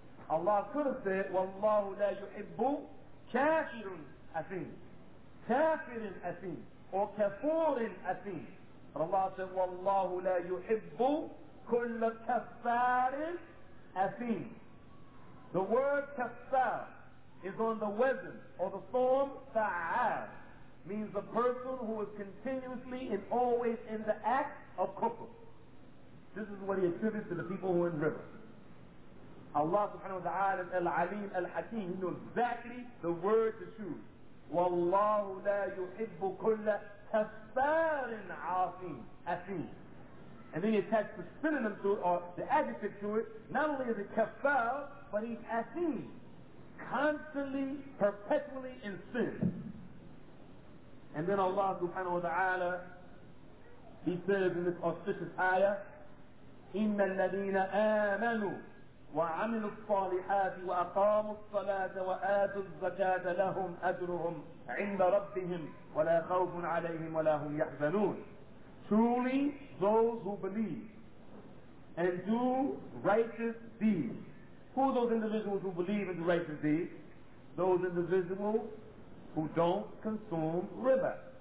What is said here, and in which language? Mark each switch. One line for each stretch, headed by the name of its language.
English: Allah could have said,
Arabic: وَاللَّهُ لَا يُحِبُّ كَافِرٍ أَثِيمٍ. كَافِرٍ أَثِيمٍ.
English: Or
Arabic: كَفُورٍ أَثِيمٍ.
English: But Allah said,
Arabic: وَاللَّهُ لَا يُحِبُّ كُلَّ كَفَّارٍ أَثِيمٍ.
English: The word kaffar is on the wazn or the form fa'al, means the person who is continuously and always in the act of kufr. This is what he attributes to the people who are in riba. Allah subhanahu wa ta'ala al-alim al-hakim, he knows exactly the word to choose.
Arabic: والله لا يحب كل كفار عاصم أثيم.
English: And then he attached the synonym to it, or the adjective to it. Not only is it kafar, but he's asim, constantly, perpetually in sin. And then Allah subhanahu wa ta'ala, he says in this auspicious ayah,
Arabic: إِنَّ الَّذِينَ آمَنُوا وَعَمِلُوا الصَّالِحَاتِ وَأَقَامُوا الصَّلَاةَ وَآتُوا الزَّكَاةَ لَهُمْ أَجْرُهُمْ عِنْدَ رَبِّهِمْ وَلَا خَوْفٌ عَلَيْهِمْ وَلَا هُمْ يَحْزَنُونَ.
English: Truly, those who believe and do righteous deeds. Who are those individuals who believe and do righteous deeds? Those individuals who don't consume riba.